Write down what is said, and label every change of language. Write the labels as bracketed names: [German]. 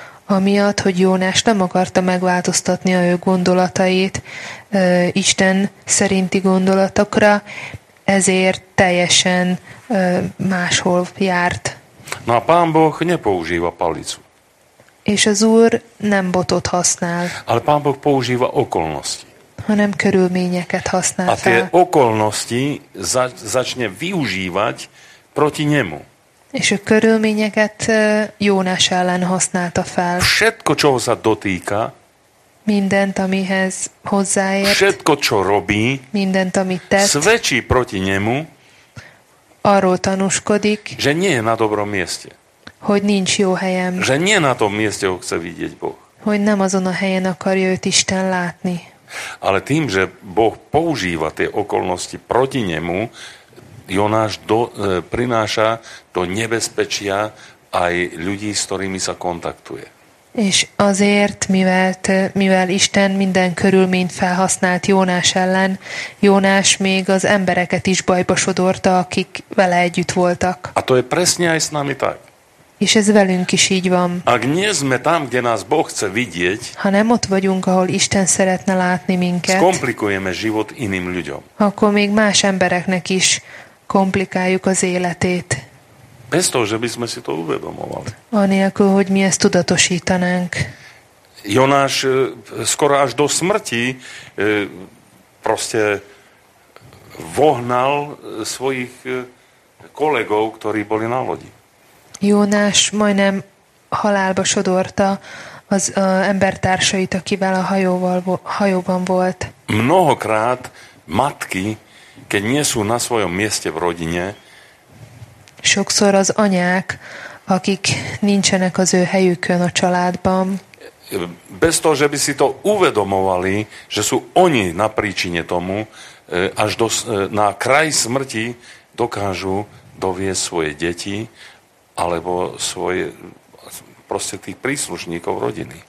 [Hungarian] Amiatt, hogy Jónás nem akarta megváltoztatni a ő gondolatait Isten szerinti gondolatokra, ezért teljesen máshol járt. [Slovak] Na, Pán Boh nepoužíva palicu. [Hungarian] És az Úr nem botot használ. [Slovak] Ale Pán Boh používa okolnosti. [Hungarian] Hanem körülményeket használ fel. [Slovak] A tie okolnosti začne využívať proti nemu. [Hungarian] És a körülményeket Jónás ellen használta fel. [Slovak] Všetko, čoho sa dotýka, [Hungarian] mindent, amihez hozzáért, [Slovak] všetko, čo robí, [Hungarian] mindent, amit tett, [Slovak] svedčí proti nemu, [Hungarian] arról tanúskodik, [Slovak] že nie je na dobrom mieste. [Hungarian] Hogy nincs jó helyen. [Slovak] Že nie na tom mieste ho chce vidieť Boh. [Hungarian] Hogy nem azon a helyen akarja őt Isten látni. [Slovak] Ale tým, že Boh používa tie okolnosti proti nemu, Jonáš prináša do nebezpečia aj ľudí, s ktorými sa kontaktuje. [Hungarian] És azért, mivel Isten minden körülményt felhasznált Jónás ellen, Jónás még az embereket is bajba sodorta, akik vele együtt voltak. [Slovak] A to je presne aj s nami tak. [Hungarian] És ez velünk is így van. [Slovak] Ak nie sme tam, kde nás Boh chce vidieť, [Hungarian] ha nem ott vagyunk, ahol Isten szeretne látni minket, [Slovak] skomplikujeme život iným ľuďom. [Hungarian] Akkor még más embereknek is komplikáljuk az életét. [Slovak] Bez toho, že by sme si to uvedomovali. [Hungarian] Anélkül, hogy mi ezt tudatosítanánk. [Slovak] Jonáš skoro až do smrti proste vohnal svojich kolegov, ktorí boli na lodi. [Hungarian] Jónás majdnem halálba sodorta az embertársait, akivel a hajóban volt. [Slovak] Mnohokrát matky, keď nie sú na svojom mieste v rodine, [Hungarian] sokszor az anyák, akik nincsenek az ő helyükön a családban, [Slovak] bez toho, že by si to uvedomovali, že sú oni na príčine tomu, až na kraj smrti dokážu doviesť svoje deti, alebo svoje, proste tých príslušníkov rodiny.